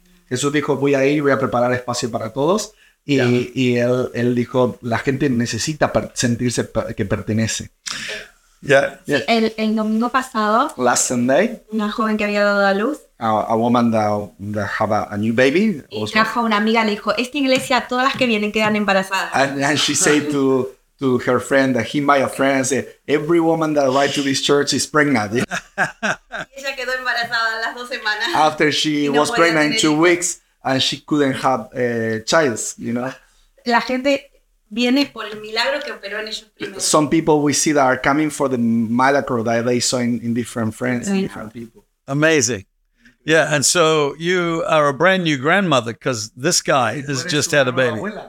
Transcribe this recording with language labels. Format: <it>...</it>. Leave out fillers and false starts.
<es>Jesús dijo, voy a ir, voy a preparar espacio para todos. Y él dijo, la gente necesita sentirse que pertenece.</es> <en>Yeah.</en> <es>El domingo pasado,</es> <en>last Sunday,</en> <es>una joven que había dado a luz,</es> <en>a woman that have a new baby.</en> <es>Y trajo a una amiga, le dijo, esta iglesia, todas las que vienen quedan embarazadas.</es> <en>And she said to her friend, that he might have friends, every woman that arrived to this church is pregnant.</en> <es>Y ella quedó embarazada las dos semanas.</es> <en>After she no was pregnant in 2 weeks, and she couldn't have childs, you know.</en> <es>La gente viene por el milagro que operó en ellos primero.</es> <en>Some people we see that are coming for the miracle that they saw in different friends, yeah. Different people. Amazing. Yeah, and so you are a brand new grandmother because this guy has just had a baby.</en>